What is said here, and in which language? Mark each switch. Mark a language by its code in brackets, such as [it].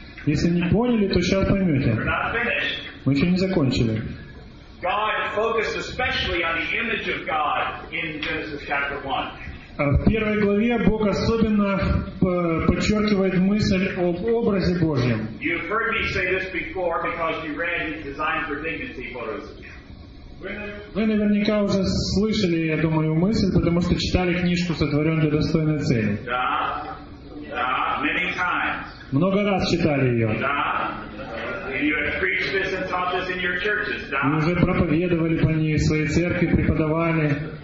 [ru] Если не поняли, то сейчас поймете. [en] We're not finished. [ru] Мы еще не закончили. [en] God focused especially on the image of God in Genesis chapter 1. [ru] В первой главе Бог особенно подчеркивает мысль об образе Божьем. [en] You've heard me say this before because you read his design for dignity photos. [ru] Вы наверняка уже слышали, я думаю, мысль, потому что читали книжку «Сотворен для достойной цели». Да, да, [en] many times. [ru] Много раз читали ее. Да. [en] You have preached this and taught this in your churches. [ru] Да. Мы уже проповедовали по ней, в своей церкви преподавали.